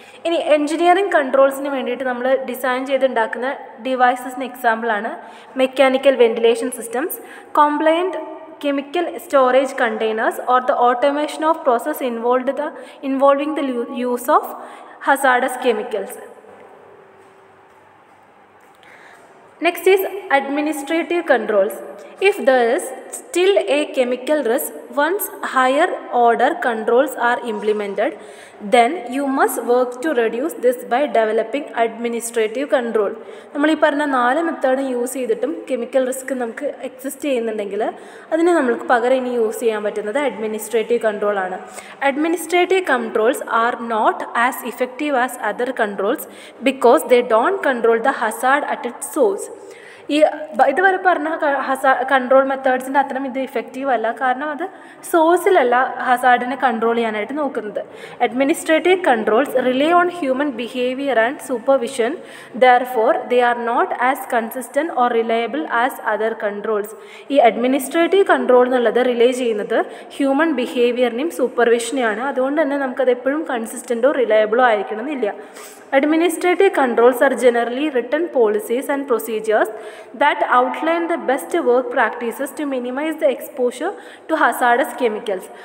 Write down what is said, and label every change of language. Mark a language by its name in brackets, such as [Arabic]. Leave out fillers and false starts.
[Malayalam] ഇനി എഞ്ചിനീയറിംഗ് കൺട്രോൾസിന് വേണ്ടിയിട്ട് നമ്മൾ ഡിസൈൻ ചെയ്തുണ്ടാക്കുന്ന ഡിവൈസസിന് എക്സാമ്പിളാണ് [English] Mechanical ventilation systems, compliant chemical storage containers or the automation of process involving the use of hazardous chemicals. Next is administrative controls. If there is still a chemical risk, once higher order controls are implemented, then you must work to reduce this by developing administrative control. [Malayalam] നമ്മളീ പറഞ്ഞ നാല് method use ചെയ്തിട്ടും chemical risk നമുക്ക് exist ചെയ്യുന്നുണ്ടെങ്കിൽ അതിന് നമ്മൾക്ക് പകരം ഇനി യൂസ് ചെയ്യാൻ പറ്റുന്നത് അഡ്മിനിസ്ട്രേറ്റീവ് കൺട്രോൾ ആണ്. [English] Administrative controls are not as effective as other controls because they don't control the hazard at it source. [Malayalam] ഈ ഇതുവരെ പറഞ്ഞ കൺട്രോൾ മെത്തേഡ്സിൻ്റെ അത്രയും ഇത് ഇഫക്റ്റീവ് അല്ല, കാരണം അത് സോഴ്സിലല്ല ഹസാർഡിനെ കൺട്രോൾ ചെയ്യാനായിട്ട് നോക്കുന്നത്. [English] Administrative controls rely on human behaviour and supervision, therefore they are not as consistent or reliable as other controls. [Malayalam] ഈ അഡ്മിനിസ്ട്രേറ്റീവ് കൺട്രോൾ എന്നുള്ളത് റിലേ ചെയ്യുന്നത് ഹ്യൂമൻ ബിഹേവിയറിനെയും സൂപ്പർവിഷനെയാണ്. അതുകൊണ്ട് തന്നെ നമുക്കത് എപ്പോഴും കൺസിസ്റ്റൻറ്റോ റിലയബിളോ ആയിരിക്കണം എന്നില്ല. [English] Administrative controls are generally written policies and procedures that outline the best work practices to minimize the exposure to hazardous chemicals.